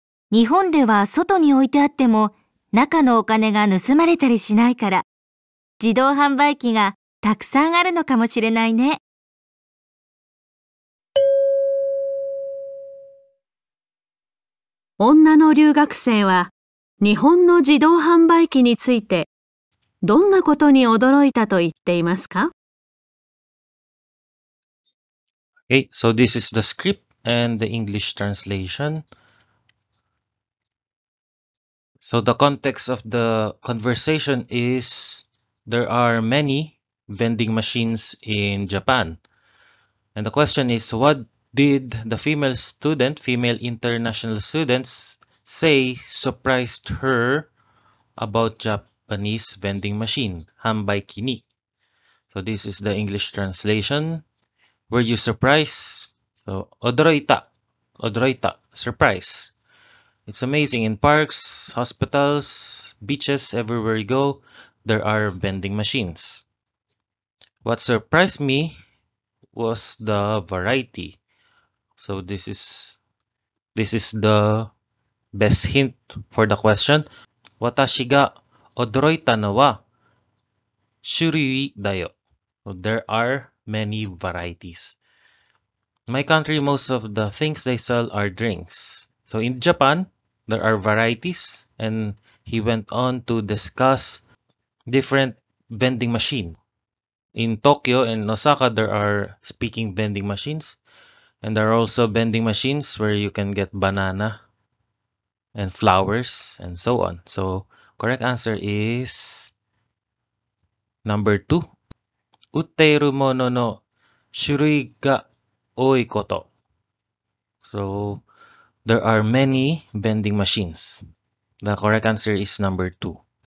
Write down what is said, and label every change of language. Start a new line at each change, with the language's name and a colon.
Japanese: 日本では外に置いてあっても中のお金が盗まれたりしないから、自動販売機がたくさんあるのかもしれないね。女の留学生は日本の自動販売機についてどんなことに驚いたと言っていますか？
English: Okay, so this is the script and the English translation. So the context of the conversation is there are many vending machines in Japan. And the question is, what did the female student, female international students, say surprised her about Japanese vending machine,
Japanese: hanbaiki ni?
English: So this is the English translation. Were you surprised? So,
Japanese: odoroita, odoroita,
English: surprise. It's amazing. In parks, hospitals, beaches, everywhere you go, there are vending machines. What surprised me was the variety. So this is the best hint for the question.
Japanese: 私が驚いたのは種類だよ。
English: There are many varieties. My country, most of the things they sell are drinks. So in Japan, there are varieties. And he went on to discuss different vending machines. In Tokyo and Osaka, there are speaking vending machines. And there are also vending machines where you can get banana and flowers and so on. So, correct answer is number 2.
Japanese: 売っているものの種類が多いこと.
English: So, there are many vending machines. The correct answer is number 2.